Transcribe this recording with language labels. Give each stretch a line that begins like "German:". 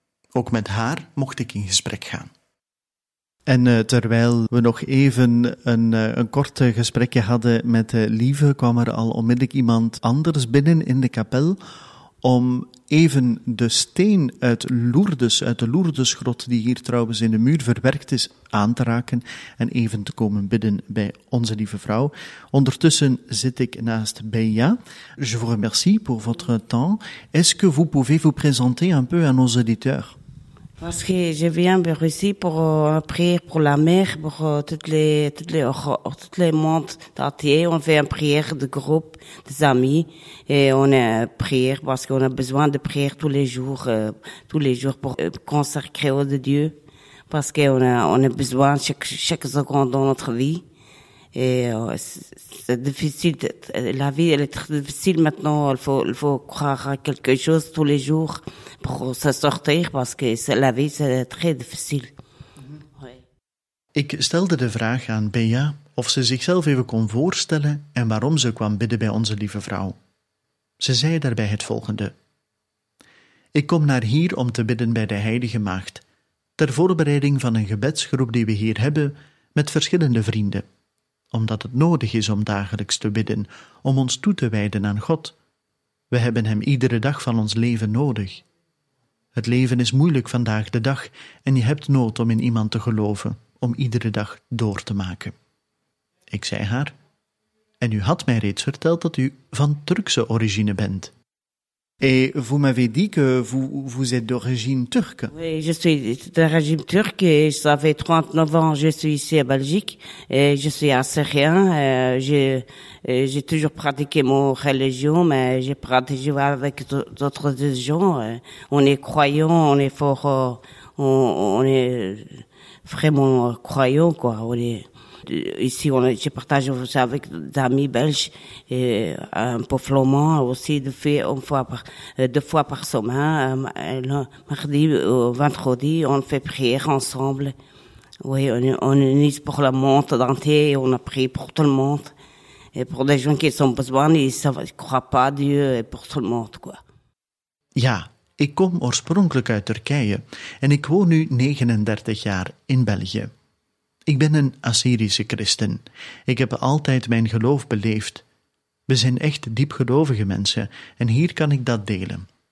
Dutch: Ook met haar mocht ik in gesprek gaan. En terwijl we nog even een kort gesprekje hadden met Lieve, kwam er al onmiddellijk iemand anders binnen in de kapel, om even de steen uit Lourdes, uit de Lourdesgrot, die hier trouwens in de muur verwerkt is, aan te raken en even te komen bidden bij onze lieve vrouw. Ondertussen zit ik naast Béa.
French: Je vous remercie pour votre temps. Est-ce que vous pouvez vous présenter un peu à nos auditeurs? Parce que je viens vers ici pour prier pour la mer, pour toutes les mondes entiers. On fait une prière de groupe, des amis, et on prière parce qu'on a besoin de prière tous les jours pour consacrer au Dieu, parce qu'on a besoin chaque seconde dans notre vie. Et c'est difficile, la vie elle est très difficile maintenant, il faut croire à quelque chose tous les jours pour s'en sortir parce que la vie c'est très difficile. Mm-hmm. Oui.
Dutch: Ik stelde de vraag aan Bea of ze zichzelf even kon voorstellen en waarom ze kwam bidden bij onze lieve vrouw. Ze zei daarbij het volgende. Ik kom naar hier om te bidden bij de Heilige Maagd, ter voorbereiding van een gebedsgroep die we hier hebben met verschillende vrienden, omdat het nodig is om dagelijks te bidden, om ons toe te wijden aan God. We hebben hem iedere dag van ons leven nodig. Het leven is moeilijk vandaag de dag en je hebt nood om in iemand te geloven, om iedere dag door te maken. Ik zei haar, en u had mij reeds verteld dat u van Turkse origine bent.
French: Et vous m'avez dit que vous êtes d'origine turque. Oui, je suis d'origine turque et ça fait 39 ans que je suis ici à Belgique et je suis assyrien. J'ai toujours pratiqué mon religion, mais j'ai pratiqué avec d'autres gens. On est croyants, on est fort, on est vraiment croyants, quoi. On est ici, je partage aussi avec des amis belges et un peu flamand aussi deux fois par semaine, le mardi ou vendredi, on fait prière ensemble. Oui, on unit pour le monde entier et on a prié pour tout le monde. Et pour des gens qui sont besoin, ils ne croient pas à Dieu et pour tout le monde, quoi.
Dutch: Ja, ik kom oorspronkelijk uit Turkije en ik woon nu 39 jaar in België. Ik ben een Assyrische christen. Ik heb altijd mijn geloof beleefd. We zijn echt diepgelovige mensen en hier kan ik dat delen.